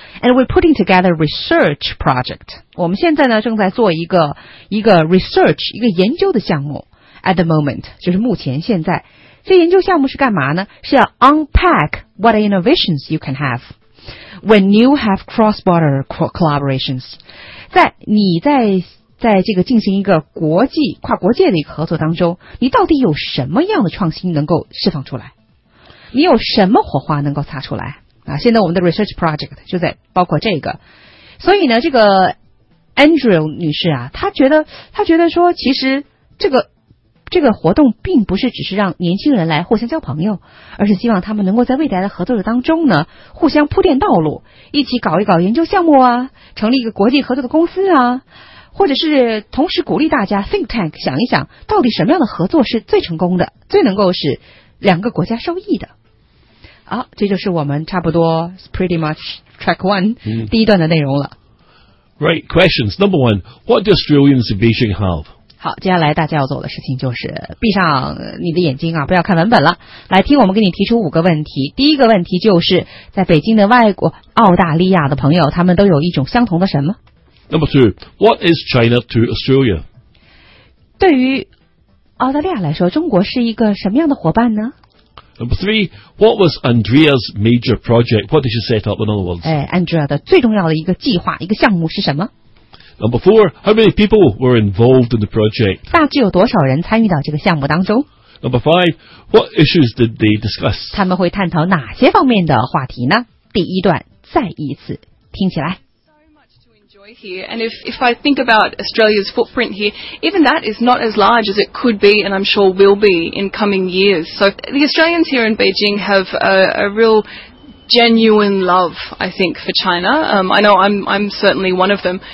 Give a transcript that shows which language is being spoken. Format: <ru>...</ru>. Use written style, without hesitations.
<en>And we're putting together a research project.</en> <zh>我们现在呢正在做一个 research， 一个研究的项目。</zh> <en>At the moment，</en> <zh>就是目前现在。这研究项目是干嘛呢？是要</zh> <en>unpack what innovations you can have when you have cross-border collaborations.</en> <zh>在你在这个进行一个国际跨国界的一个合作当中，你到底有什么样的创新能够释放出来？你有什么火花能够擦出来？啊，现在我们的 research project 就在包括这个。所以呢，这个 Andrew 女士啊，她觉得说，其实这个活动并不是只是让年轻人来互相交朋友，而是希望他们能够在未来的合作当中呢，互相铺垫道路，一起搞一搞研究项目啊，成立一个国际合作的公司啊，或者是同时鼓励大家 think tank 想一想，到底什么样的合作是最成功的，最能够使两个国家受益的。好，这就是我们差不多</zh> <en>pretty much track one</en> <zh>第一段的内容了。</zh> <en>Right, questions. Number one, what do Australians in Beijing have?</en> <zh>好，接下来大家要做的事情就是闭上你的眼睛啊，不要看文本了，来听我们给你提出五个问题。第一个问题就是，在北京的外国澳大利亚的朋友，他们都有一种相同的什么</zh> <en>？Number two, what is China to Australia?</en> <zh>对于澳大利亚来说，中国是一个什么样的伙伴呢</zh> <en>？Number three, what was Andrea's major project? What did she set up? In other words,</en> <zh>哎 ，Andrea 的最重要的一个计划、一个项目是什么？</zh> <en>Number four, how many people were involved in the project?</en> <zh>大致有多少人参与到这个项目当中</zh> <en>？Number five, what issues did they discuss?</en> <zh>他们会探讨哪些方面的话题呢？第一段，再一次听起来。</zh> <en>Here. And if I think about Australia's footprint here, even that is not as large as it could be and I'm sure will be in coming years. So the Australians here in Beijing have a real genuine love, I think, for China. I know I'm certainly one of them.</en>